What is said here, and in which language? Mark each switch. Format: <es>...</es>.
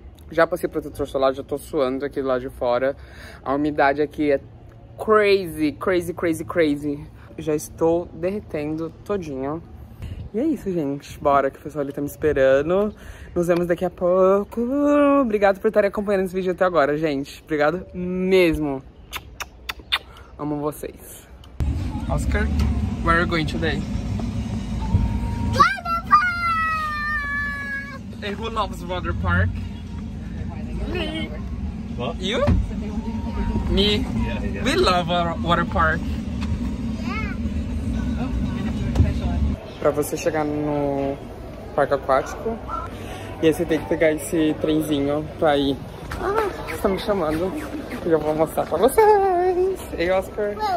<pt>Já passei protetor solar, já tô suando aqui do lado de fora. A umidade aqui é</pt> <en>crazy, crazy, crazy, crazy.</en> <pt>Já estou derretendo todinho. E é isso, gente. Bora, que o pessoal ali tá me esperando. Nos vemos daqui a pouco. Obrigado por estarem acompanhando esse vídeo até agora, gente. Obrigado mesmo. Amo vocês.</pt> <en>Oscar, where are you going today? Waterpark! And who loves water park? Me. What? You? Me. Yeah, yeah. We love our water park.</en> <pt>Pra você chegar no parque aquático. E aí você tem que pegar esse trenzinho pra ir. Ah, estão me chamando. E eu vou mostrar pra vocês. Ei, Oscar.</pt>